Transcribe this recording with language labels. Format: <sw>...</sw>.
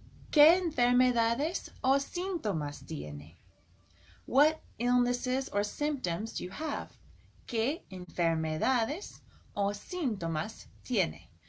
<es>¿Qué enfermedades o síntomas tiene?</es> <en>What illnesses or symptoms do you have?</en> <es>¿Qué enfermedades o síntomas tiene?</es>